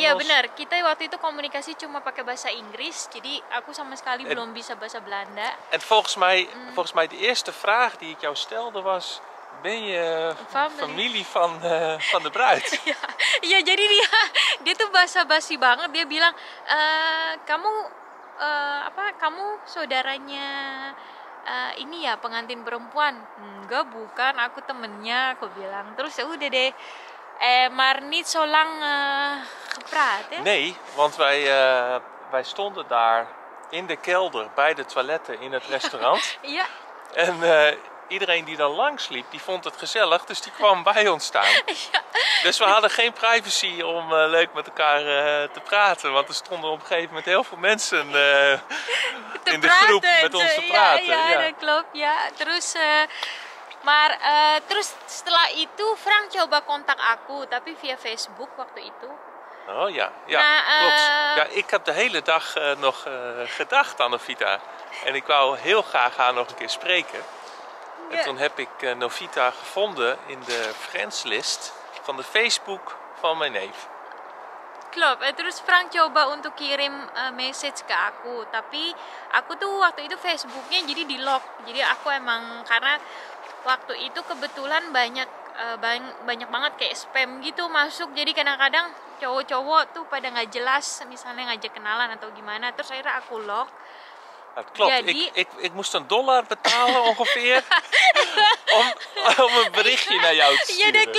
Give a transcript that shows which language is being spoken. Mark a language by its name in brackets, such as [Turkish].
[Indonesian] Ya benar, kita waktu itu komunikasi cuma pakai bahasa Inggris, jadi aku sama sekali belum bisa bahasa Belanda. [Dutch] En volgens mij de eerste vraag die ik jou stelde was... Ben je familie van de bruid? [Indonesian] Ya, jadi dia tuh basa-basi banget. Dia bilang, kamu saudaranya ini ya pengantin perempuan? Enggak, bukan. Aku temennya. Aku bilang. Terus ya udah deh. [Dutch] Maar niet zo lang gepraat, hè? Nee, want wij stonden daar in de kelder bij de toiletten in het restaurant. Ja. En iedereen die dan langsliep, die vond het gezellig, dus die kwam bij ons staan. Ja. Dus we hadden geen privacy om leuk met elkaar te praten, want er stonden op een gegeven moment heel veel mensen in de groep met ons te praten. Ja, dat klopt. Ja. [Indonesian] Terus, maar terus setelah itu Frank coba kontak aku, tapi via Facebook waktu itu. [Dutch] Oh ja, ja, nah, klopt. Ja, ik heb de hele dag nog gedacht aan Novita en ik wou heel graag haar nog een keer spreken. En toen heb ik Novita gevonden in de friendslist van de Facebook van mijn neef. Klopt. [Indonesian] En terus Frank coba untuk kirim message ke aku, tapi aku tuh waktu itu Facebooknya jadi di lock. Jadi aku emang karena waktu itu kebetulan banyak banget kayak spam gitu masuk. Jadi kadang-kadang cowok-cowok tuh pada nggak jelas, misalnya ngajak kenalan atau gimana. Terus akhirnya aku lock. [Dutch] Klopt, jadi... ik moest een dollar betalen ongeveer om een berichtje naar jou te sturen.